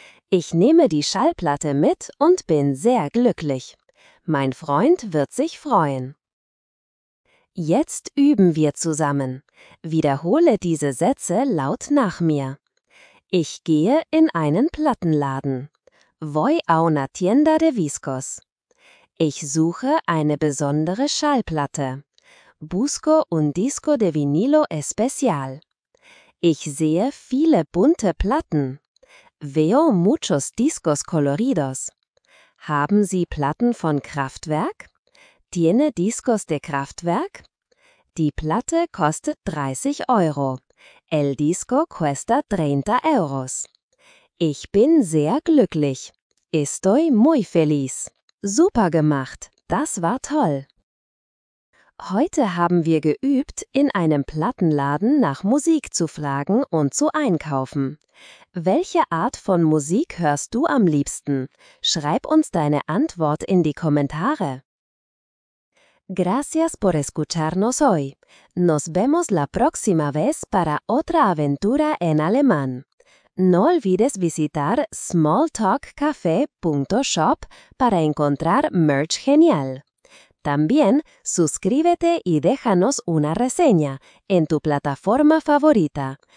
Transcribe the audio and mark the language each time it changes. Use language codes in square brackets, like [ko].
[de] Ich nehme die Schallplatte mit und bin sehr glücklich. Mein Freund wird sich freuen. Jetzt üben wir zusammen. Wiederhole diese Sätze laut nach mir. Ich gehe in einen Plattenladen. [es] Voy a una tienda de discos. [de] Ich suche eine besondere Schallplatte. [es] Busco un disco de vinilo especial. [de] Ich sehe viele bunte Platten. [es] Veo muchos discos coloridos. [de] Haben Sie Platten von Kraftwerk? [es] Tiene discos de Kraftwerk? [de] Die Platte kostet 30 Euro. [es] El disco cuesta 30 euros. [de] Ich bin sehr glücklich. [es] Estoy muy feliz. [de] Super gemacht. Das war toll. Heute haben wir geübt, in einem Plattenladen nach Musik zu fragen und zu einkaufen. Welche Art von Musik hörst du am liebsten? Schreib uns deine Antwort in die Kommentare. [es] Gracias por escucharnos hoy. Nos vemos la próxima vez para otra aventura en alemán. No olvides visitar smalltalkcafe.shop para encontrar merch genial. También suscríbete y déjanos una reseña en tu plataforma favorita.